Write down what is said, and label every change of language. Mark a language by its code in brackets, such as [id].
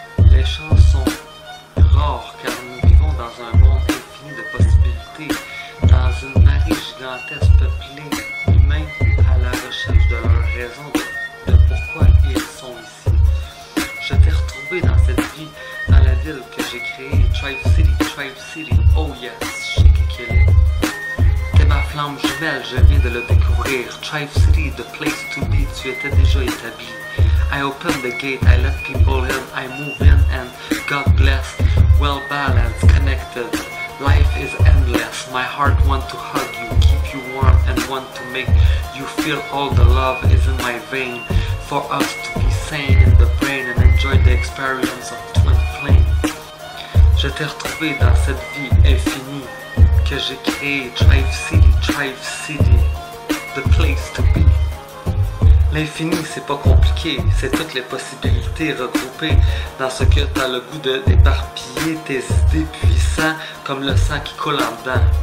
[fr] Les chances sont rares car nous vivons dans un monde infini de possibilités, dans une marée gigantesque peuplée humaine à la recherche de leur raison de pourquoi ils sont ici. Je t'ai retrouvé dans cette vie, dans la ville que j'ai créée, Tribe City, Tribe City, [en] oh yes, [fr] chic équilibre. Flamme jumelle, je viens de le découvrir. Tribe City, [en] the place to be, [fr] tu étais déjà établi. [en] I open the gate, I let people in, I move in and God bless. Well balanced, connected, life is endless. My heart want to hug you, keep you warm and want to make you feel all the love is in my vein. For us to be sane in the brain and enjoy the experience of twin flame. [fr] Je t'ai retrouvé dans cette vie infinie que j'ai créé, Tribe City, [en] the place to be. [fr] L'infini, c'est pas compliqué, c'est toutes les possibilités regroupées dans ce que t'as le goût de d'éparpiller tes idées puissantes comme le sang qui coule en dedans.